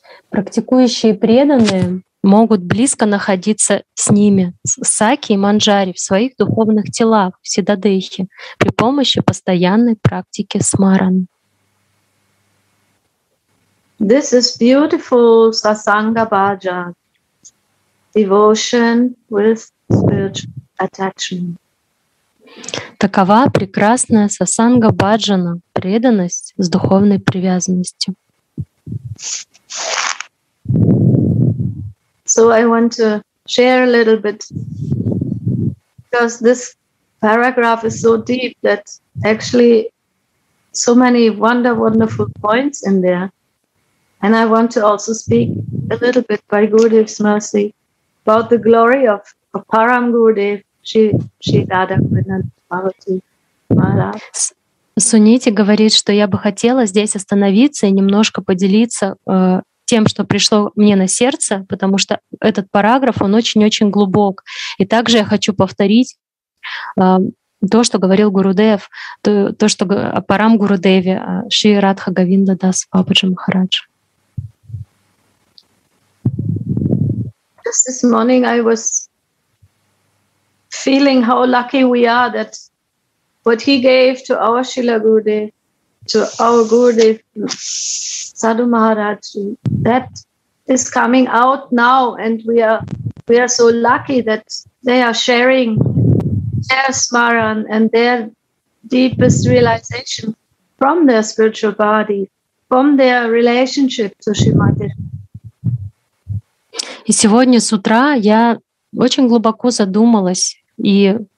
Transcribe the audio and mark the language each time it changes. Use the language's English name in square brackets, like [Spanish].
[Russian] Практикующие преданные могут близко находиться с ними, саки и манджари, в своих духовных телах, в сиддхадхе, при помощи постоянной практики смаран. [English] This is beautiful sasanga bhaja, devotion with spiritual attachment. [Russian] Такова прекрасная сасанга бхаджана, преданность с духовной привязанностью. [English] So I want to share a little bit because this paragraph is so deep that actually so many wonderful points in there. And I want to also speak a little bit by Gurudev's mercy about the glory of Param Gurudev, Shri Radha Parvati Maharaj. [Russian] Суните говорит, что я бы хотела здесь остановиться и немножко поделиться тем, что пришло мне на сердце, потому что этот параграф, он очень-очень глубок. И также я хочу повторить то, что говорил Гурудев, то, что о Парам Гурудеве, о Шри Радха Говинда Дас Бабаджи Махарадж. [English] Just this morning I was feeling how lucky we are that what he gave to our Srila Gurudev, to our Gurudev, Sadhu Maharaj, that is coming out now, and we are so lucky that they are sharing their smaran and their deepest realization from their spiritual body, from their relationship to Shrimati. [Russian] И сегодня с утра я очень глубоко задумалась и